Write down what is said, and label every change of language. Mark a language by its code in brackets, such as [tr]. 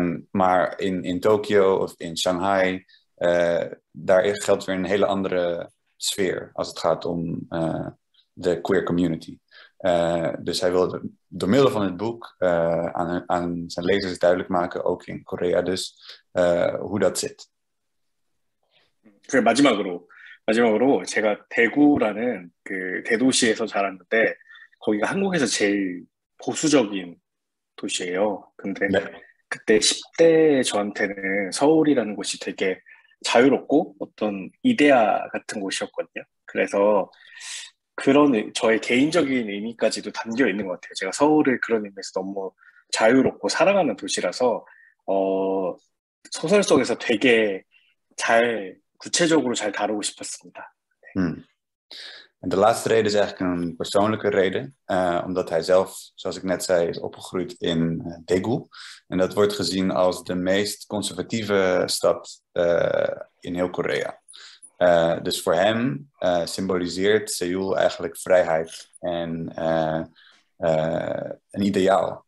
[nl] Maar in Tokio of in Shanghai, daar geldt weer een hele andere sfeer als het gaat om de queer community. Dus hij wilde door middel van het boek aan zijn lezers duidelijk maken, ook in Korea dus, hoe dat zit. [ko] 그 마지막으로 제가 대구라는 대도시에서 자랐는데, 거기가 한국에서 제일 보수적인 도시예요. 근데 그때 10대 저한테는 서울이라는 곳이 되게 자유롭고 어떤 이데아 같은 곳이었거든요. 그래서 그런 저의 개인적인 의미까지도 담겨 있는 것 같아요. 제가 서울을 그런 의미에서 너무 자유롭고 사랑하는 도시라서 소설 속에서 되게 잘 구체적으로 잘 다루고 싶었습니다. [nl] En de laatste reden is eigenlijk een persoonlijke reden, omdat hij zelf, zoals ik net zei, is opgegroeid in Daegu. En dat wordt gezien als de meest conservatieve stad in heel Korea. Dus voor hem symboliseert Seoul eigenlijk vrijheid en een ideaal.